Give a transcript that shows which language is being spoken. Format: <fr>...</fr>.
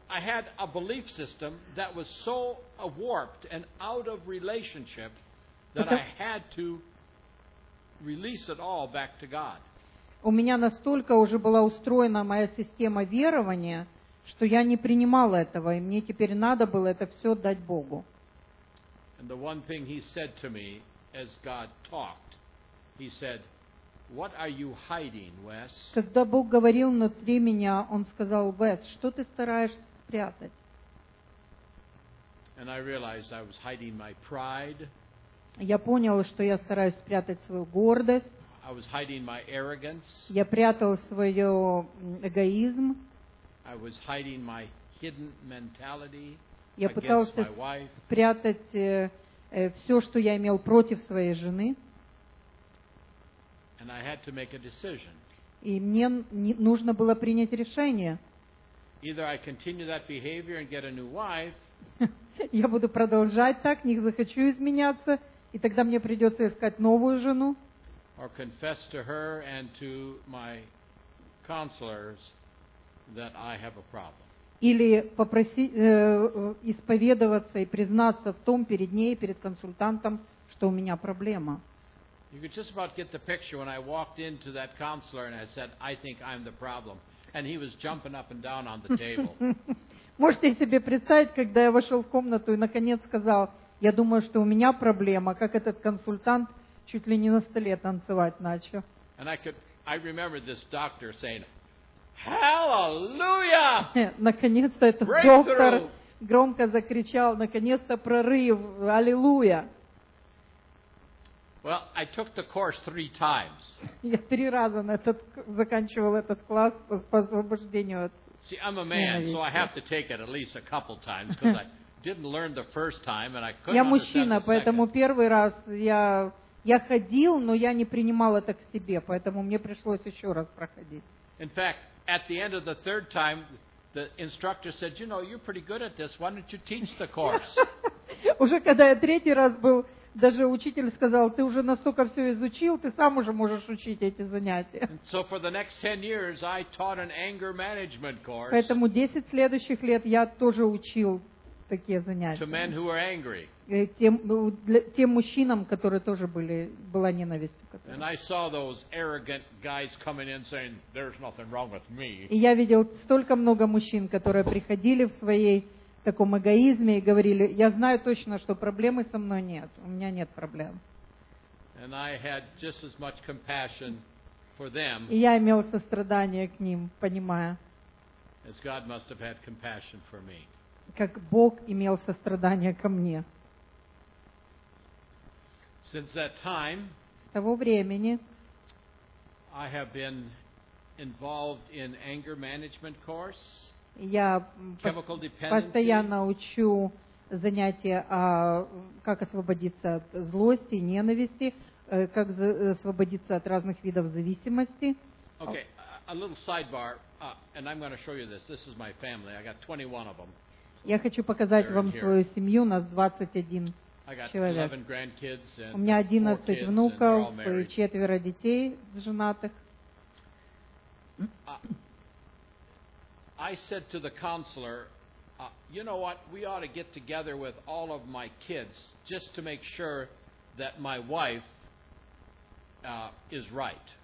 <en>I had a belief system that was so warped and out of relationship that I had to release it all back to God.</en> <ru>У меня настолько уже была устроена моя система верования, что я не принимала этого, и мне теперь надо было это все дать Богу.</ru> <en>And the one thing he said to me as God talked, he said, What are you hiding, Wes?</en> <ru>Когда Бог говорил внутри меня, он сказал: "Wes, что ты стараешься спрятать?"</ru> <en>And I realized I was hiding my pride.</en> <ru>Я понял, что я стараюсь спрятать свою гордость.</ru> <en>I was hiding my arrogance.</en> <ru>Я прятал свой эгоизм.</ru> <en>I was hiding my hidden mentality.</en> <ru>Я пытался спрятать все, что я имел против своей жены.</ru> <en>And I had to make a decision.</en> <ru>И мне нужно было принять решение.</ru> <en>Either I continue that behavior and get a new wife.</en> <ru>Я буду продолжать так, не захочу изменяться, и тогда мне придется искать новую жену.</ru> <en>Or confess to her and to my counselors that I have a problem.</en> <ru>Или попросить исповедоваться и признаться в том перед ней, перед консультантом, что у меня проблема.</ru> <en>You could just about get the picture when I walked into that counselor and I said, I think I'm the problem. And he was jumping up and down on the table.</en> <ru>Можете себе представить, когда я вошел в комнату и наконец сказал, я думаю, что у меня проблема, как этот консультант чуть ли не на столе танцевать начал.</ru> <en>And I remember this doctor saying, Hallelujah!</en> <ru>Наконец-то этот доктор громко закричал, наконец-то прорыв, аллилуйя!</ru> <en>Well, I took the course 3 times.</en> <ru>Я три раза на этот заканчивал этот класс по освобождению от.</ru> <en>See, I'm a man, so I have to take it at least a couple times because I didn't learn the first time and I couldn't understand.</en> <ru>Я мужчина, поэтому первый раз я ходил, но я не принимал это к себе, поэтому мне пришлось еще раз проходить.</ru> <en>In fact, at the end of the third time, the instructor said, "You know, you're pretty good at this. Why don't you teach the course?"</en> <ru>Уже когда я третий раз был, даже учитель сказал, ты уже настолько все изучил, ты сам уже можешь учить эти занятия.</ru> <en>So for the next 10 years I taught an anger management course.</en> <ru>Поэтому 10 следующих лет я тоже учил такие занятия.</ru> <en>To men who are angry.</en> <ru>Тем мужчинам, которые тоже была ненависть.</ru> <en>And I saw those arrogant guys coming in saying, there's nothing wrong with me.</en> <ru>И я видел столько много мужчин, которые приходили в своей в таком эгоизме и говорили, я знаю точно, что проблемы со мной нет, у меня нет проблем.</ru> <en>And I had just as much compassion for them,</en> <ru>и я имел сострадание к ним, понимая,</ru> <en>as God must have had compassion for me.</en> <ru>Как Бог имел сострадание ко мне.</ru> <en>Since that time,</en> <ru>с того времени</ru> <en>I have been involved in anger management course.</en> <ru>Я постоянно учу занятия, как освободиться от злости, ненависти, как освободиться от разных видов зависимости.</ru> <en>Okay, a little sidebar, and I'm going to show you this. This is my family. I got 21 of them.</en> <ru>Я хочу показать вам свою семью. У нас 21 человек. У меня 11 внуков и четверо детей женатых.</ru> <en>I said to the counselor, you know what, we ought to get together with all of my kids just to make sure that my wife is right.</en>